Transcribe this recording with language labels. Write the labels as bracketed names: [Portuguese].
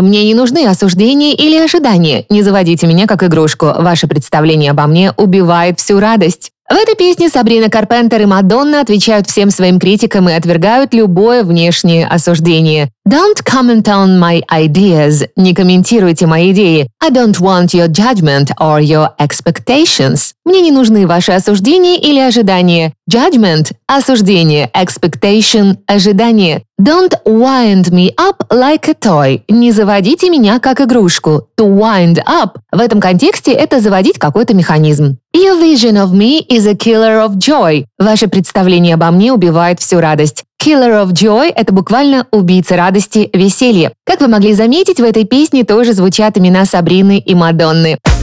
[Russian] Мне не нужны осуждения или ожидания. Не заводите меня как игрушку. Ваше представление обо мне убивает всю радость. В этой песне Сабрина Карпентер и Мадонна отвечают всем своим критикам и отвергают любое внешнее осуждение. [English] Don't comment on my ideas. [Russian] Не комментируйте мои идеи. [English] I don't want your judgment or your expectations. [Russian] Мне не нужны ваши осуждения или ожидания. Judgment – осуждение. Expectation – ожидание. [English] Don't wind me up like a toy. [Russian] Не заводите меня как игрушку. To wind up – в этом контексте это заводить какой-то механизм. [English] Your vision of me is a killer of joy. [Russian] Ваше представление обо мне убивает всю радость. Killer of Joy – это буквально убийца радости, веселье. Как вы могли заметить, в этой песне тоже звучат имена Сабрины и Мадонны.